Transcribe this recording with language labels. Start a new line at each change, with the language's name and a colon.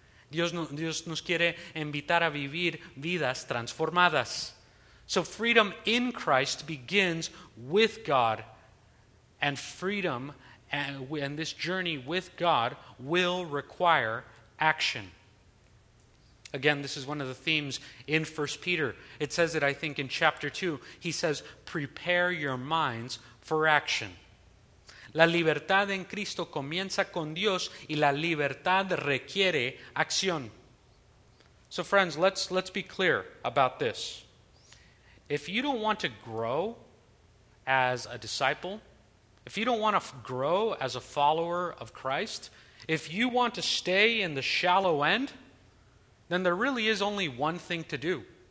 Spanish: Dios nos quiere invitar a vivir vidas transformadas.
English: So freedom in Christ begins with God. And freedom and this journey with God will require action. Again, this is one of the themes in 1 Peter. It says it, I think, in chapter 2. He says, prepare your minds for action.
Spanish: La libertad en Cristo comienza con Dios y la libertad requiere acción.
English: So friends, let's be clear about this. If you don't want to grow as a disciple, if you don't want to grow as a follower of Christ, if you want to stay in the shallow end, then there really is only one thing to do.